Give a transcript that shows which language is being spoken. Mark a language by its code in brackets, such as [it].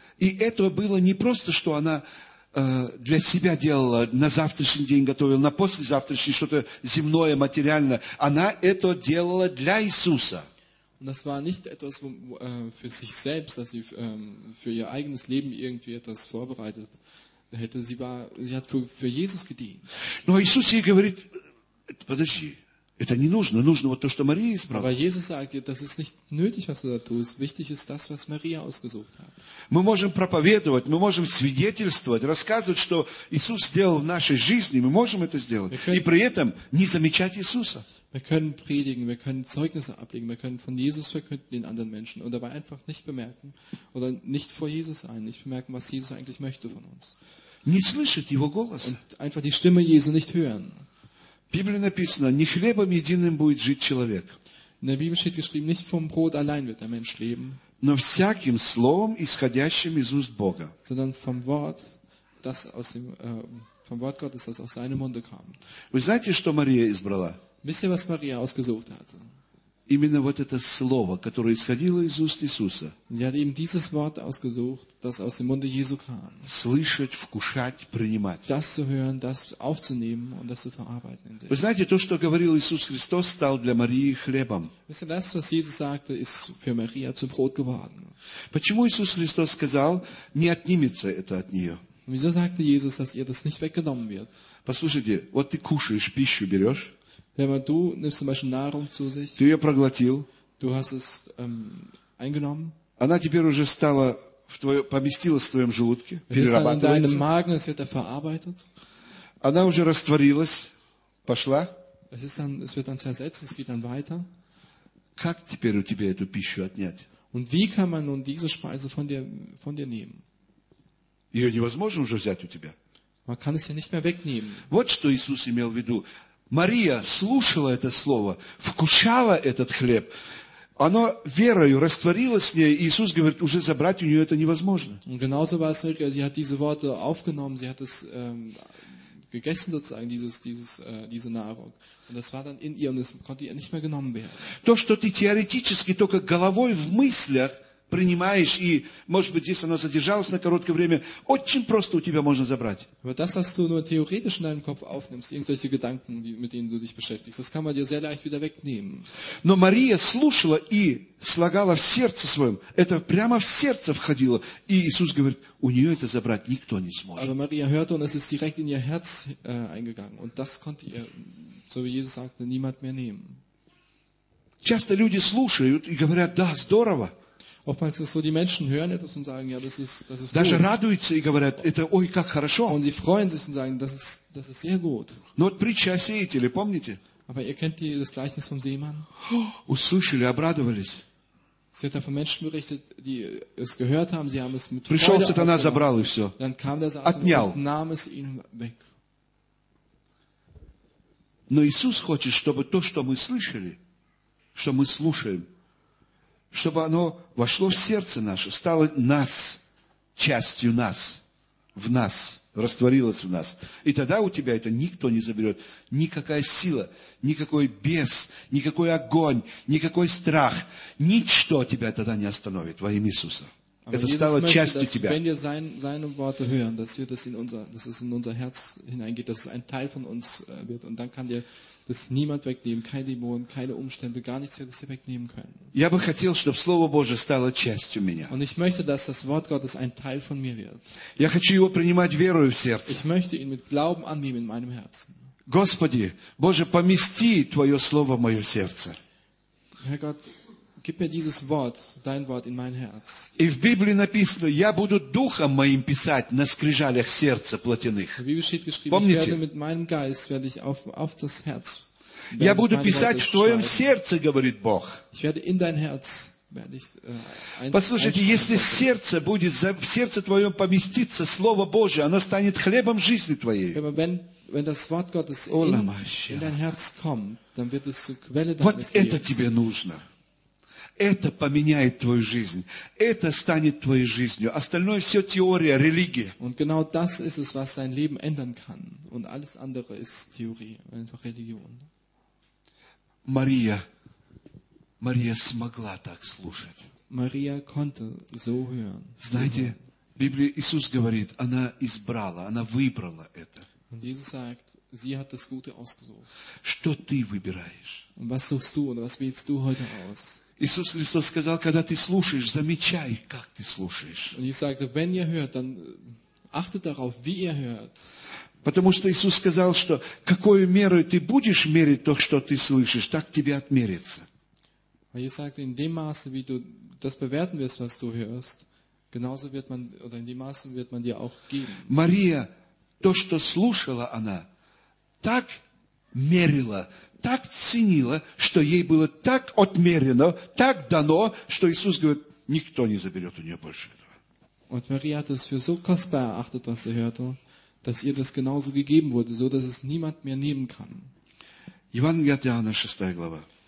[ru] И это было не просто, что она для себя делала, на завтрашний день готовила, на послезавтрашний что-то земное, материальное. Она это делала для Иисуса. [de] Und das war nicht etwas für sich selbst, dass sie für ihr eigenes Leben irgendwie etwas vorbereitet hätte. Sie hat für Jesus gedient. [ru] Но Иисус ей говорит, подожди, это не нужно. Нужно вот то, что Мария избрала. [de] Aber Jesus sagt ihr, das ist nicht nötig, was du da tust. Wichtig ist das, was Maria ausgesucht hat. [ru] Мы можем проповедовать, мы можем свидетельствовать, рассказывать, что Иисус сделал в нашей жизни. Мы можем это сделать. И при этом не замечать Иисуса. [de] Wir können predigen, wir können Zeugnisse ablegen, wir können von Jesus verkünden den anderen Menschen und dabei einfach nicht bemerken oder nicht vor Jesus sein, nicht bemerken, was Jesus eigentlich möchte von uns. [ru] Не слышать его голос. [de] Und einfach die Stimme Jesu nicht hören. [ru] В Библии написано, не хлебом единым будет жить человек. [de] In der Bibel steht geschrieben, nicht vom Brot allein wird der Mensch leben. [ru] Но всяким словом, исходящим из уст Бога. [de] Sondern vom Wort, das aus dem vom Wort Gottes, das aus seinem Munde kam. [ru] Вы знаете, что Мария избрала? [de] Wisst ihr, was Maria ausgesucht hatte? [ru] Именно вот это слово, которое исходило из уст Иисуса. [de] Sie hat eben dieses Wort ausgesucht, das aus dem Munde Jesu kam. [ru] Слышать, вкушать, принимать. [de] Das zu hören, das aufzunehmen und das zu verarbeiten in sich. [ru] Вы знаете, то, что говорил Иисус Христос, стал для Марии хлебом. [de] Wisst ihr, das, was Jesus sagte, ist für Maria zu Brot geworden. [ru] Почему Иисус Христос сказал, не отнимется это от нее? [de] Wieso sagte Jesus, dass ihr das nicht weggenommen wird? [ru] Послушайте, вот ты кушаешь, пищу берешь. [de] Wenn du nimmst zum Beispiel Nahrung zu sich, [ru] ты ее проглотил, [de] du hast es eingenommen, [ru] она теперь уже стала в твое, поместилась в твоем желудке, [de] es [ru] перерабатывается, [de] ist dann in deinem Magen, es wird da verarbeitet, [ru] она уже растворилась, пошла, [de] es ist dann, es wird dann zersetzt, es geht dann weiter. [ru] Как теперь у тебя эту пищу отнять? [de] Und wie kann man nun diese Speise von dir nehmen? [ru] Ее невозможно уже взять у тебя. [de] Man kann es ja nicht mehr wegnehmen. [ru] Вот что Иисус имел в виду. Мария слушала это слово, вкушала этот хлеб. Оно верою растворилось с ней, и Иисус говорит, уже забрать у нее это невозможно. [de] Und genauso war es wirklich, sie hat diese Worte aufgenommen, sie hat es gegessen sozusagen, diese Nahrung. Und das war dann in ihr und es konnte ihr nicht mehr genommen werden. [ru] То, что ты теоретически только головой в мыслях принимаешь, и, может быть, здесь оно задержалось на короткое время, очень просто у тебя можно забрать. [de] Aber das, was du nur theoretisch in deinem Kopf aufnimmst, irgendwelche Gedanken, mit denen du dich beschäftigst, das kann man dir sehr leicht wieder wegnehmen. [ru] Но Мария слушала и слагала в сердце своем, это прямо в сердце входило, и Иисус говорит, у нее это забрать никто не сможет. [de] Aber Maria hörte und es ist direkt in ihr Herz eingegangen und das konnte ihr, so wie Jesus sagte, niemand mehr nehmen. [ru] Часто люди слушают и говорят, да, здорово. [de] Oftmals ist es so, die Menschen hören etwas und sagen, ja, das ist [ru] даже [de] gut. [ru] Радуются и говорят, это, ой, как хорошо. [de] Und sie freuen sich und sagen, das ist sehr gut. [ru] Но вот притча о сеятеле, помните? [de] Aber ihr kennt das Gleichnis vom Seemann? [ru] Услышали, обрадовались. [de] Sie hat davon Menschen berichtet, die es гehört haben, sie haben es mit [ru] пришел [de] Freude [ru] сатана, [de] aufgenommen. [ru] Забрал и все. [de] Dann kam der Satan und nahm es ihnen weg. [ru] Но Иисус хочет, чтобы то, что мы слышали, что мы слушаем, чтобы оно вошло в сердце наше, стало нас, частью нас, в нас, растворилось в нас. И тогда у тебя это никто не заберет. Никакая сила, никакой бес, никакой огонь, никакой страх, ничто тебя тогда не остановит во имя Иисуса. [de] Aber [ru] это [de] Jesus [ru] стало [de] möchte, [ru] частью [de] dass, [ru] тебя. [de] Wenn wir seine Worte hören, dass es in unser Herz hineingeht, dass es ein Teil von uns wird und dann kann dir das niemand wegnehmen, kein Dämon, keine Umstände, gar nichts, das wir wegnehmen können. [ru] Я бы хотел, чтобы Слово Божие стало частью меня. [de] Und ich möchte, dass das Wort Gottes ein Teil von mir wird. [ru] Я хочу его принимать верою в сердце. [de] Ich möchte ihn mit Glauben annehmen in meinem Herzen. [ru] Господи, Боже, помести Твое Слово в мое сердце. [de] Herr Gott, gib mir dieses Wort, dein Wort in mein Herz. [ru] И в Библии написано, я буду духом моим писать на скрижалях сердца плотяных. Помните? Помните? [de] Ich werde mit meinem Geist, werde ich auf das Herz. [ru] Я буду писать в твоем сердце, говорит Бог. [de] Ich werde in dein Herz, werde ich, [ru] Послушайте, если сердце будет, в сердце твоем поместится Слово Божие, оно станет хлебом жизни твоей. [de] Wenn das Wort Gottes in dein Herz kommt, dann wird es zur Quelle deines Lebens. [ru] Вот это тебе нужно. Это поменяет твою жизнь. Это станет твоей жизнью. Остальное все теория, религия. [de] Und genau das ist es, was dein Leben ändern kann. Und alles andere ist Theorie, einfach Religion. [ru] Мария смогла так слушать. [de] Maria konnte so hören. [ru] Знаете, в Библии Иисус говорит, она избрала, она выбрала это. [de] Und Jesus sagt, sie hat das Gute ausgesucht. [ru] Что ты выбираешь? [de] Und was suchst du oder was wählst du heute aus? [ru] Иисус Христос сказал, когда ты слушаешь, замечай, как ты слушаешь. [de] Und Jesus sagte, wenn ihr hört, dann achtet darauf, wie ihr hört. [ru] Потому что Иисус сказал, что какой мерой ты будешь мерить то, что ты слышишь, так тебе отмерится. [de] Und Jesus sagte, in dem Maße, wie du das bewerten wirst, was du hörst, genauso wird man oder in dem Maße wird man dir auch geben. [ru] Maria, то, что слушала она, так мерила, так ценила, что ей было так отмерено, так дано, что Иисус говорит, никто не заберет у нее больше этого. [de] Und Maria hat es für so kostbar erachtet, was sie hörte, dass ihr das genauso gegeben wurde, so dass es niemand mehr nehmen kann. [ru] Евангелие от Иоанна, 6 глава.